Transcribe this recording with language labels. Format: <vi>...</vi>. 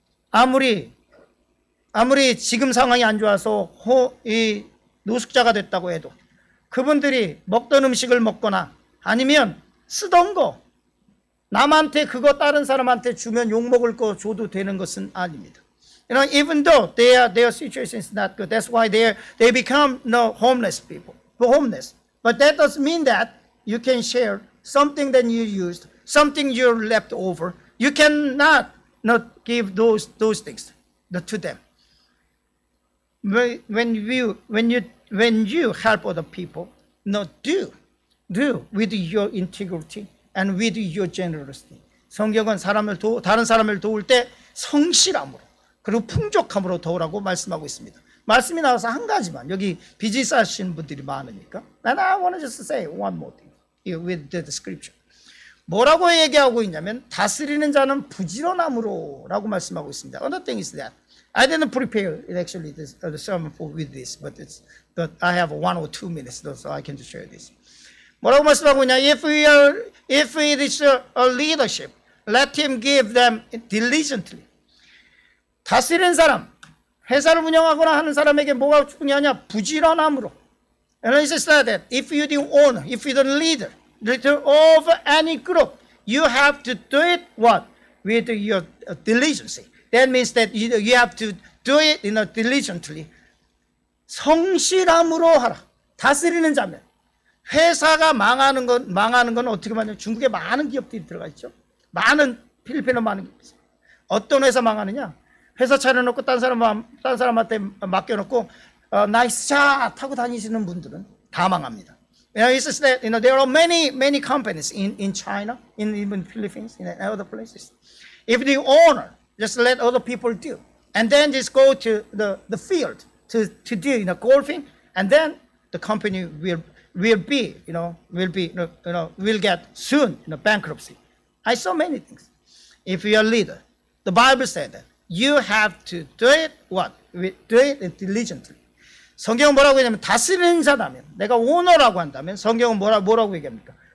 <ko>아무리 지금 상황이 안 좋아서 이 노숙자가 됐다고 해도 그분들이 먹던 음식을 먹거나 아니면 쓰던 거 남한테 그거 다른 사람한테 주면 욕 먹을 거 줘도 되는 것은 아닙니다.</ko> <en>You know, even though their situation is not good, that's why they become no homeless people, homeless. But that doesn't mean that you can share something that you used, something you left over. You cannot not give those things to them. When you help other people, no, do with your integrity and with your generosity.</en> <ko>성경은 다른 사람을 도울 때 성실함으로 그리고 풍족함으로 도우라고 말씀하고 있습니다. 말씀이 나와서 한 가지만 여기 비즈니스 하시는 분들이 많으니까</ko> <en>And I want to just say one more thing with the scripture.</en> <ko>뭐라고 얘기하고 있냐면 다스리는 자는 부지런함으로 라고 말씀하고 있습니다.</ko> <en>Another thing is that I didn't prepare actually the sermon with this but I have one or two minutes though, so I can just share this.</en> <ko>뭐라고 말씀하고 있냐</ko> <en>if it is a leadership let him give them diligently.</en> <ko>다스리는 사람, 회사를 운영하거나 하는 사람에게 뭐가 중요하냐? 부지런함으로.</ko> <en>And it says that if you the owner, if you the leader of any group, you have to do it what? With your diligence. That means that you have to do it in a diligently.</en> <ko>성실함으로 하라. 다스리는 자면. 회사가 망하는 건 어떻게 말하냐면 중국에 많은 기업들이 들어가 있죠. 많은, 필리핀에 많은 기업들. 어떤 회사 망하느냐? 회사 차려놓고 딴 사람한테 맡겨놓고 나이스 샷 하고 다니시는 분들은 다 망합니다.</ko> <en>You know, it's just that, you know, there are many companies in China, in Philippines, in other places. If the owner just let other people do, and then just go to the field to do, you know, golfing, and then the company will get soon bankruptcy. I saw many things. If you're a leader, the Bible said that. You have to do it what? Do it diligently.</en> <ko>성경은 뭐라고 얘기하냐면 다스리는 자라면 내가 오너라고 한다면 성경은 뭐라고 얘기합니까?</ko>